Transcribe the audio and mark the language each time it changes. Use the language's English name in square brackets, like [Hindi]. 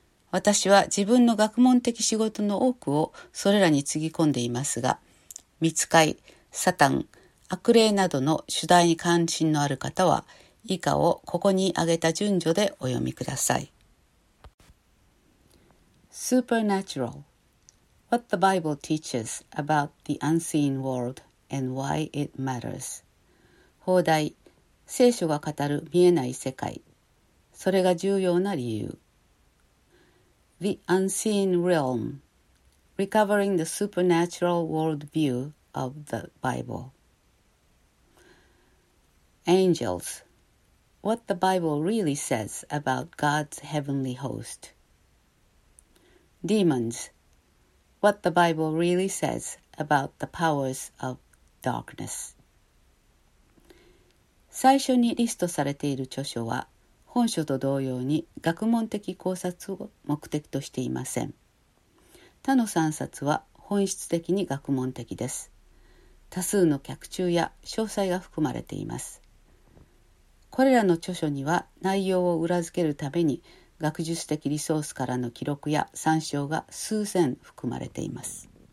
[Japanese] 私は自分の学問的仕事の多くをそれらにつぎ込んでいますが、見つかい、サタン、悪霊などの主題に関心のある方は、以下をここに挙げた順序でお読みください。 [English] Supernatural. What the Bible teaches about the unseen world and why it matters. [Japanese] 放題、聖書が語る見えない世界。それが重要な理由。 [English] The Unseen Realm, Recovering the Supernatural Worldview of the Bible. Angels, What the Bible Really Says About God's Heavenly Host. Demons, What the Bible Really Says About the Powers of Darkness. [Japanese] 最初にリストされている著書は、本書と同様に学問的考察を目的としていません。他の3冊は本質的に学問的です。多数の脚注や詳細が含まれています。これらの著書には内容を裏付けるために学術的リソースからの記録や参照が数千含まれています。